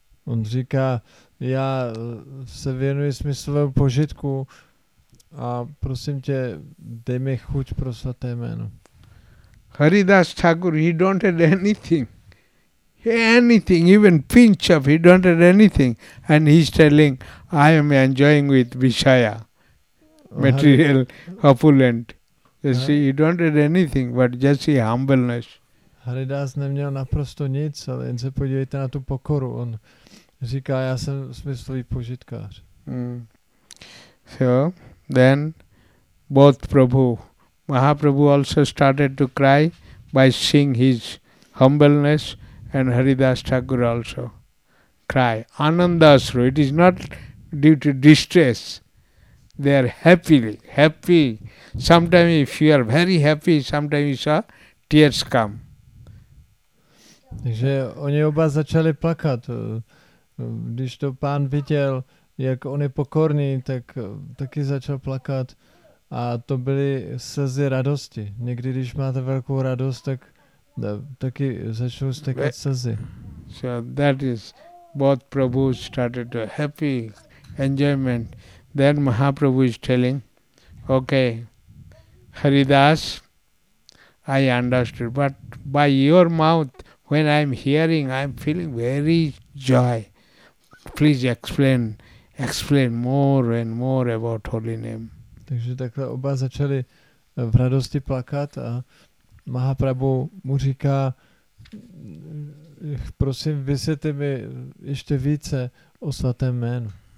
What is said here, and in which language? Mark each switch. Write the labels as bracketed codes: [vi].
[cs] On říká, já se věnuji smyslovému požitku a prosím tě, dej mi chuť pro svaté jméno. [en] Haridas Thakur, he don't have anything. Anything, even pinch of, he don't have anything. And he's telling, I am enjoying with Vishaya, material opulent. You see, he don't have anything, but just see humbleness. [cs] Haridas neměl naprosto nic, ale jen se podívejte na tu pokoru. On říká, já jsem smyslový požitkář. [en] So, then both Prabhu, Mahaprabhu also started to cry by seeing his humbleness and Haridas Thakur also cry. Anandasru, it is not due to distress. They are happy. Sometimes if you are very happy, sometimes you saw tears come. [cs] Takže oni oba začali plakat. Když to pán viděl, jak on je pokorný, tak taky začal plakat a to byly slzy radosti. Někdy, když máte velkou radost, tak taky začnou stekat slzy. [en] So that is, both Prabhu started to happy enjoyment. Then Mahaprabhu is telling, okay, Haridas, I understood, but by your mouth, when I'm hearing, I'm feeling very joy. Please explain more and more about holy name. [cs] Takže takhle oba začali v radosti plakat a Mahaprabhu mu říká, prosím, vysvětli mi ještě více o svatém jménu.